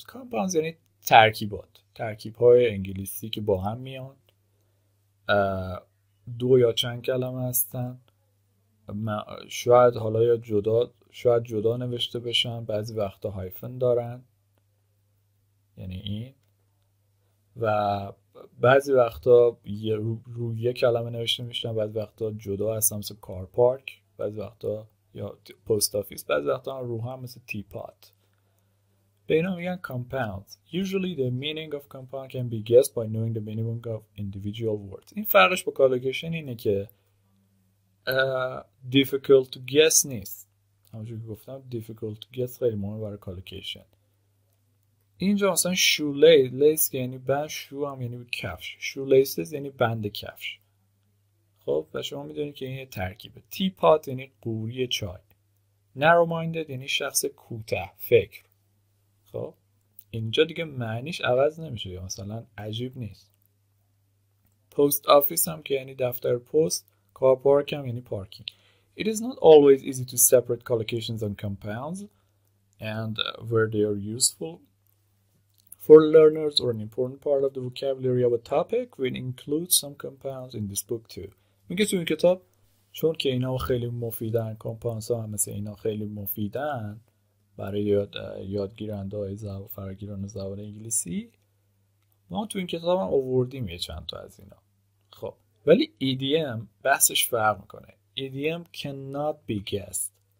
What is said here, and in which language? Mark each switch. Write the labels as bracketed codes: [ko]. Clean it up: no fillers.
[fa] compounds یعنی ترکیبات، ترکیب های انگلیسی که با هم میان، دو یا چند کلمه هستن، شاید حالا یا جدا، شاید جدا نوشته بشن، بعضی وقتا هایفن دارن، یعنی این، و بعضی وقتا روی یه کلمه نوشته میشن، بعضی وقتا جدا هستن مثل car park، بعضی وقتا یا post office، بعضی وقتا رو هم مثل teapot. به اینا میگن compounds. [en] Usually the meaning of compound can be guessed by knowing the meaning of individual words. [fa] این فرقش با collocation اینه که [en] difficult to guess [fa] نیست، همونجور که گفتم difficult to guess خیلی مهمه برای collocation. اینجا مثلا shoelace، lace که یعنی بند، شو هم یعنی کفش، shoelaces یعنی بند کفش. خب و شما میدونید که این یه ترکیبه. teapot یعنی قوری چای، narrow minded یعنی شخص کوته فکر. خب اینجا دیگه معنیش عوض نمیشه، یا مثلا عجیب نیست. post office هم که یعنی دفتر پست، car park هم یعنی پارکینگ. [en] It is not always easy to separate collocations and compounds and where they are useful. For learners or an important part of the vocabulary of a topic, we include some compounds in this book too. [fa] میگه تو این کتاب چون که اینا خیلی مفیدن، کمپانس ها مثل اینا خیلی مفیدن برای یادگیرنده های زبان، فراگیران زبان انگلیسی، ما تو این کتاب هم آوردیم یه چند تا از اینا. خب ولی EDM بحثش فرق میکنه. [en] EDM cannot be guessed.